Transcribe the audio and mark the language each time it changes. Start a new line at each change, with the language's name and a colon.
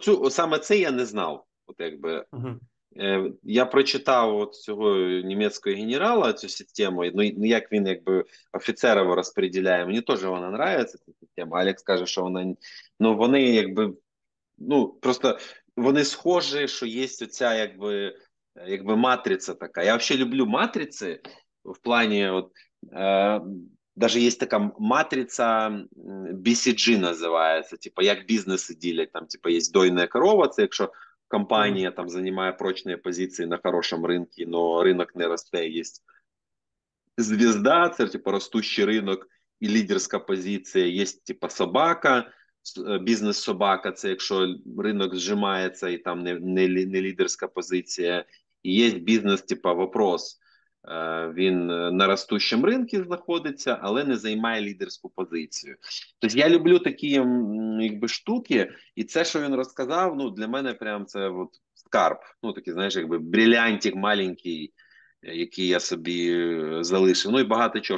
Ukrainian: Саме це я не знав. От якби я прочитав от цього німецького генерала цю систему, ну як він якби офіцерів розподіляє, мені теж вона нравиться, ця система. Алекс каже, що вона, ну вони якби, ну просто вони схожі, що є оця якби матриця така. Я взагалі люблю матриці в плані от,
Russian: даже есть такая матрица BCG называется, типа как бизнесы делят, там типа есть дойная корова, это если компания там занимает прочные позиции на хорошем рынке, но рынок не растет, есть звезда, это типа растущий рынок и лидерская позиция, есть типа собака, бизнес собака, это если рынок сжимается и там не лидерская позиция, и есть бизнес типа вопрос.
Ukrainian: Він на ростущому ринку знаходиться, але не займає лідерську позицію. Тобто я люблю такі якби штуки, і це, що він розказав, ну, для мене прям це от скарб. Ну, такий, знаєш, якби брилянтик маленький, який я собі залишив. Ну, і багато чого.